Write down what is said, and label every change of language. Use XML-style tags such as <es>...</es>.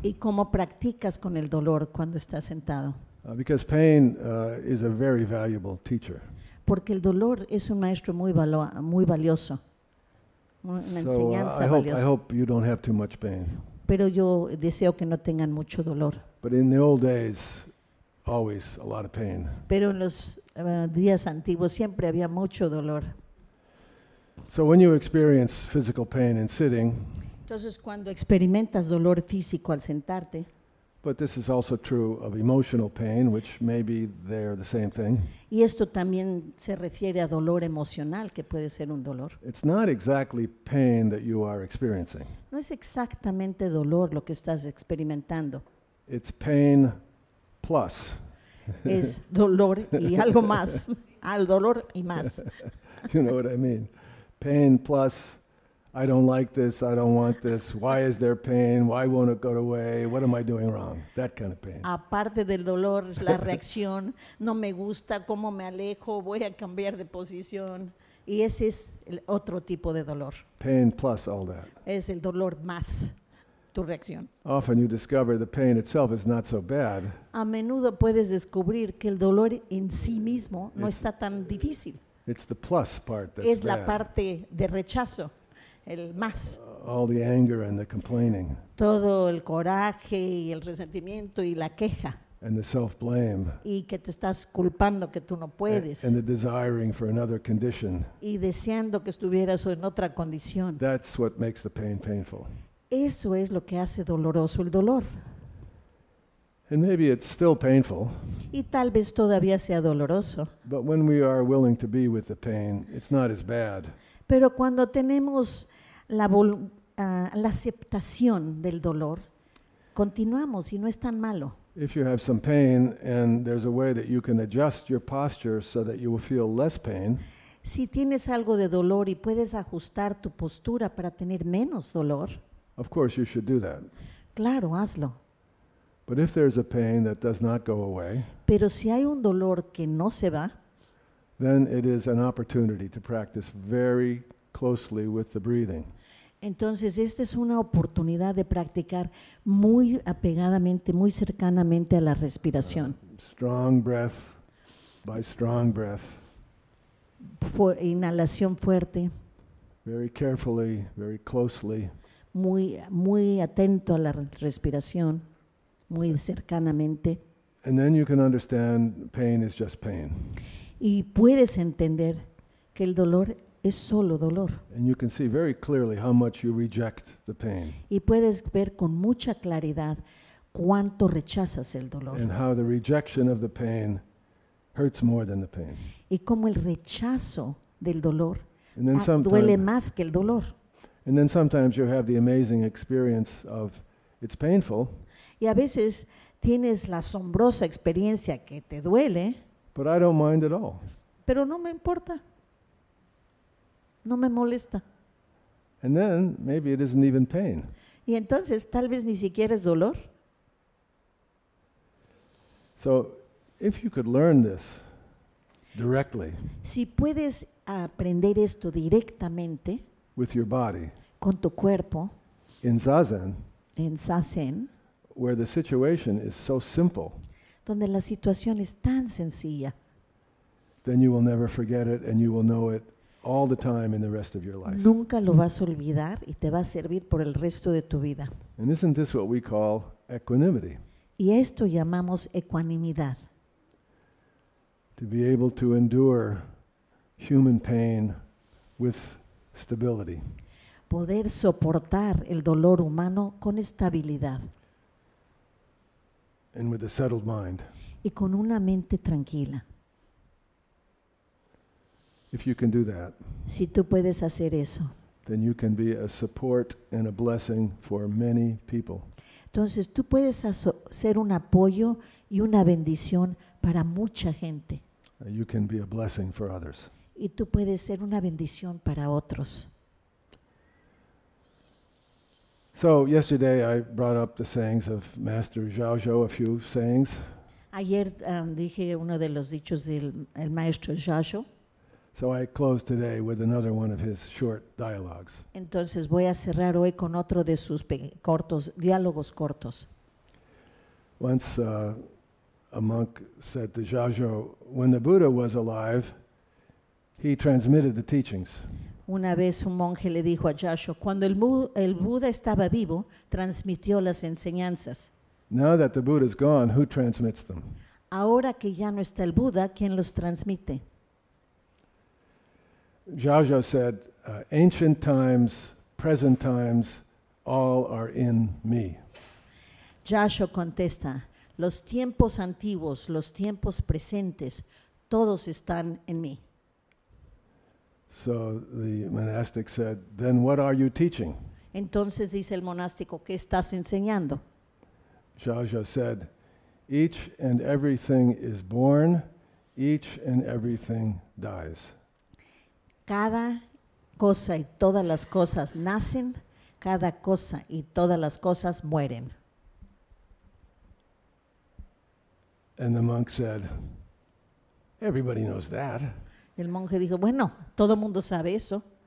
<es>Y cómo practicas con el dolor cuando estás sentado.</es> <en>Because pain is a very valuable teacher.</en> <es>Porque el dolor es un maestro muy, muy valioso. Una enseñanza valiosa.</es> <en>I hope you don't have too much pain.</en> <es>Pero yo deseo que no tengan mucho dolor.</es> <en>But in the old days, always a lot of pain.</en> <es>Pero en los días antiguos siempre había mucho dolor.</es> <en>So when you experience physical pain in sitting,</en> <es>entonces cuando experimentas dolor físico al sentarte,</es> <en>but this is also true of emotional pain, which may be there the same thing.</en> <es>Y esto también se refiere a dolor emocional, que puede ser un dolor.</es> <en>It's not exactly pain that you are experiencing.</en> <es>No es exactamente dolor lo que estás experimentando.</es> <en>It's pain plus.</en> <es>Es dolor y algo más. Al dolor y más.</es> <en>You know what I mean? Pain plus, I don't like this, I don't want this, why is there pain, why won't it go away, what am I doing wrong? That kind of pain.</en> <es>Aparte del dolor, la reacción, no me gusta, cómo me alejo, voy a cambiar de posición. Y ese es el otro tipo de dolor.</es> <en>Pain plus all that.</en> <es>Es el dolor más tu reacción.</es> <en>Often you discover the pain itself is not so bad.</en> <es>A menudo puedes descubrir que el dolor en sí mismo no está tan difícil.</es> <en>It's the plus part that's bad.</en> <es>Es la</es> <en>bad.</en> <es>Parte de rechazo, el más.</es> <en>All the anger and the complaining.</en> <es>Todo el coraje y el resentimiento y la queja.</es> <en>And the self-blame.</en> <es>Y que te estás culpando que tú no puedes.</es> <en>And the desiring for another condition.</en> <es>Y deseando que estuvieras en otra condición.</es> <en>That's what makes the pain painful.</en> <es>Eso es lo que hace doloroso el dolor.</es> <en>And maybe it's still painful.</en> <es>Y tal vez todavía sea doloroso.</es> <en>But when we are willing to be with the pain, it's not as bad.</en> <es>Pero cuando tenemos la aceptación del dolor, continuamos y no es tan malo.</es> <en>If you have some pain and there's a way that you can adjust your posture so that you will feel less pain.</en> <es>Si tienes algo de dolor y puedes ajustar tu postura para tener menos dolor.</es> <en>Of course you should do that.</en> <es>Claro, hazlo.</es> <en>But if there's a pain that does not go away,</en> <es>pero si hay un dolor que no se va,</es> <en>then it is an opportunity to practice very closely with the breathing.</en> <es>Entonces, esta es una oportunidad de practicar muy apegadamente, muy cercanamente a la respiración.</es> <en>Strong breath by strong breath.</en> <es>Inhalación fuerte.</es> <en>Very carefully, very closely.</en> <es>Muy, muy atento a la respiración. Muy cercanamente.</es> <en>And then you can understand pain is just pain.</en> <es>Y puedes entender que el dolor es solo dolor.</es> <en>And you can see very clearly how much you reject the pain.</en> <es>Y puedes ver con mucha claridad cuánto rechazas el dolor.</es> <en>And how the rejection of the pain hurts more than the pain.</en> <es>Y cómo el rechazo del dolor duele más que el dolor.</es> <en>And then sometimes you have the amazing experience of it's painful.</en> <es>Y a veces tienes la asombrosa experiencia que te duele.</es> <en>But I don't mind at all.</en> <es>Pero no me importa. No me molesta.</es> <en>And then maybe it isn't even pain.</en> <es>Y entonces tal vez ni siquiera es dolor.</es> <en>So if you could learn this directly.</en> <es>Si puedes aprender esto directamente.</es> <en>With your body.</en> <es>Con tu cuerpo.</es> <en>In zazen.</en> <es>En zazen.</es> <en>Where the situation is so simple,</en> <es>donde la situación es tan sencilla,</es> <en>then you will never forget it and you will know it all the time in the rest of your life.</en> <es>Nunca lo vas a olvidar y te va a servir por el resto de tu vida.</es> <en>And isn't this what we call equanimity?</en> <es>Y esto llamamos equanimidad.</es> <en>To be able to endure human pain with stability.</en> <es>Poder soportar el dolor humano con estabilidad.</es> <en>And with a settled mind.</en> <es>Y con una mente tranquila.</es> <en>If you can do that,</en> <es>si tú puedes hacer eso,</es> <en>then you can be a support and a blessing for many people.</en> <es>Entonces tú puedes ser un apoyo y una bendición para mucha gente.</es> <en>You can be a blessing for others.</en> <es>Y tú puedes ser una bendición para otros.</es> <en>So yesterday I brought up the sayings of Master Zhaozhou, a few sayings.</en> <es>Ayer dije uno de los dichos del el maestro Zhaozhou.</es> <en>So I close today with another one of his short dialogues.</en> <es>Entonces voy a cerrar hoy con otro de sus cortos diálogos cortos.</es> <en>Once a monk said to Zhaozhou, when the Buddha was alive, he transmitted the teachings.</en> <es>Una vez un monje le dijo a Zhaozhou, cuando el Buda estaba vivo, transmitió las enseñanzas.</es> <en>Now that the Buddha is gone, who transmits them?</en> <es>Ahora que ya no está el Buda, ¿quién los transmite?</es> <en>Zhaozhou said, ancient times, present times, all are in me.</en> <es>Zhaozhou contesta, los tiempos antiguos, los tiempos presentes, todos están en mí.</es> <en>So the monastic said, then what are you teaching?</en> <es>Entonces dice el monástico, ¿qué estás enseñando?</es> <en>Zhaozhou said, each and everything is born, each and everything dies.</en> <es>Cada cosa y todas las cosas nacen, cada cosa y todas las cosas mueren.</es> <en>And the monk said, everybody knows that.</en> <es>El monje dijo, bueno, todo mundo sabe eso.</es>